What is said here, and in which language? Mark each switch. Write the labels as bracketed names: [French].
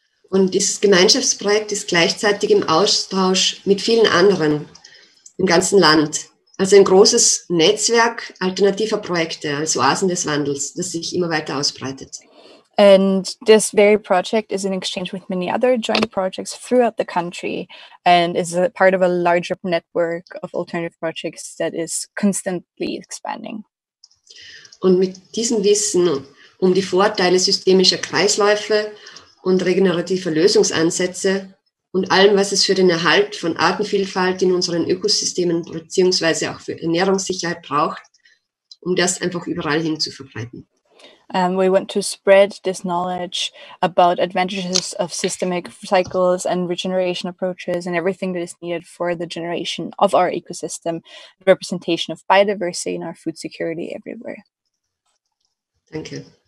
[German] Und dieses Gemeinschaftsprojekt ist gleichzeitig im Austausch mit vielen anderen im ganzen Land. Also ein großes Netzwerk alternativer Projekte als Oasen des Wandels, das sich immer weiter ausbreitet. [English] And this very project is in exchange with many other joint projects throughout the country and is a part of a larger network of alternative projects that is constantly expanding. [German] Und mit diesem Wissen um die Vorteile systemischer Kreisläufe und regenerativer Lösungsansätze und allem, was es für den Erhalt von Artenvielfalt in unseren Ökosystemen beziehungsweise auch für Ernährungssicherheit braucht, um das einfach überall hin zu verbreiten. [English] We want to spread this knowledge about advantages of systemic cycles and regeneration approaches and everything that is needed for the generation of our ecosystem, the representation of biodiversity and our food security everywhere. Thank you.